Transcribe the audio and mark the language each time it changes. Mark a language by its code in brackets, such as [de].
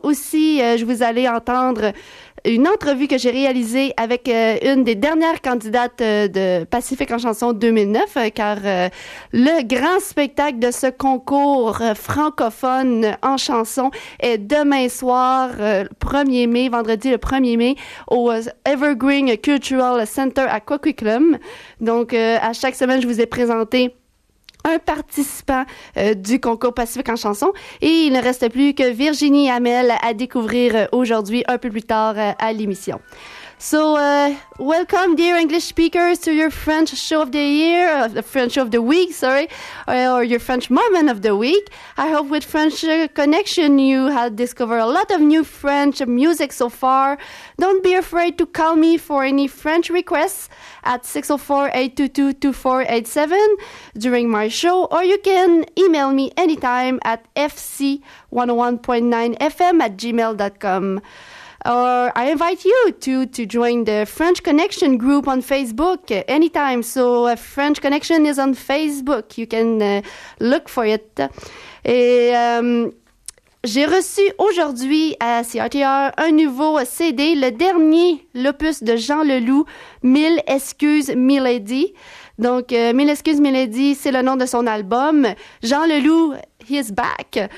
[fr] Aussi, je vous allais entendre une entrevue que j'ai réalisée avec une des dernières candidates de Pacific en chanson 2009, car le grand spectacle de ce concours francophone en chanson est demain soir, vendredi le 1er mai, au Evergreen Cultural Center à Coquitlam. Donc, à chaque semaine, je vous ai présenté un participant du concours Pacifique en chanson. Et il ne reste plus que Virginie Hamel à découvrir aujourd'hui, un peu plus tard à l'émission. [en] So, welcome, dear English speakers, to your French show of the year, the French show of the week, sorry, or your French moment of the week. I hope with French Connection you have discovered a lot of new French music so far. Don't be afraid to call me for any French requests at 604-822-2487 during my show, or you can email me anytime at fc101.9fm@gmail.com. Or I invite you to join the French Connection group on Facebook anytime. So French Connection is on Facebook. You can look for it. [fr] Et j'ai reçu aujourd'hui à CRTR un nouveau CD, le dernier opus de Jean Leloup, Mille Excuses, Milady. Donc, Mille Excuses, Milady, c'est le nom de son album. [en] Jean Leloup, he's back.